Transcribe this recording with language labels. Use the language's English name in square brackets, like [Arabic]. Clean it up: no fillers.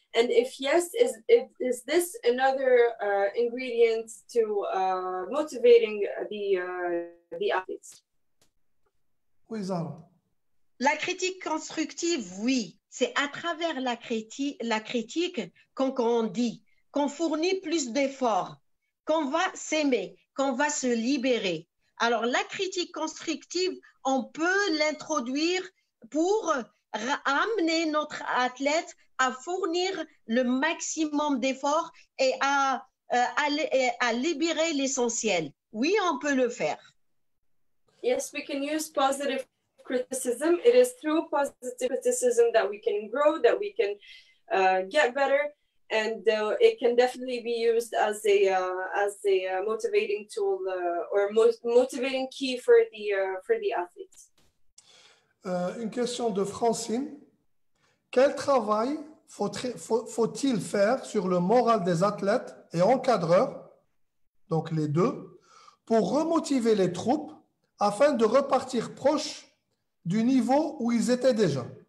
[English] And if yes, is this another ingredient to motivating the athletes? [French] Oui, Zara. La critique constructive, oui. C'est à travers la critique qu'on grandit, qu'on fournit plus d'efforts, qu'on va s'aimer, qu'on va se libérer. Alors, la critique constructive, on peut l'introduire pour amener notre athlète à fournir le maximum d'efforts et à libérer l'essentiel. Oui, on peut le faire. [English] Yes, we can use positive criticism. It is through positive criticism that we can grow, that we can get better, and it can definitely be used as a motivating tool or motivating key for the athletes. [French] Une question de Francine. Quel travail faut-il faire sur le moral des athlètes et encadreurs, donc les deux, pour remotiver les troupes afin de repartir proche du niveau où ils étaient déjà?